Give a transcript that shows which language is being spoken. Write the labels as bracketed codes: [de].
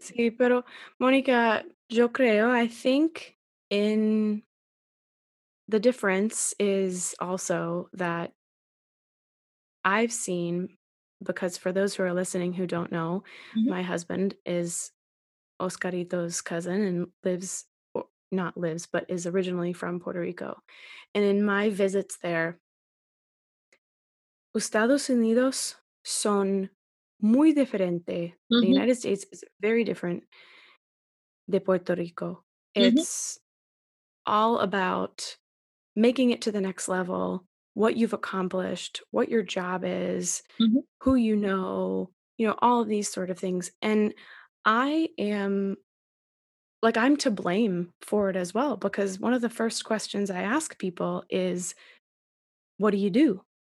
[es] Sí, pero Monica, yo creo, [en] I think in the difference is also that I've seen, because for those who are listening who don't know, mm-hmm. my husband is Oscarito's cousin and lives, or not lives, but is originally from Puerto Rico. And in my visits there, [es] Estados Unidos son muy diferente. Mm-hmm. [en] The United States is very different. [es] De Puerto Rico. [en] It's mm-hmm. all about making it to the next level, what you've accomplished, what your job is, mm-hmm. who you know, all of these sort of things. And I am like, I'm to blame for it as well, because one of the first questions I ask people is, what do you do?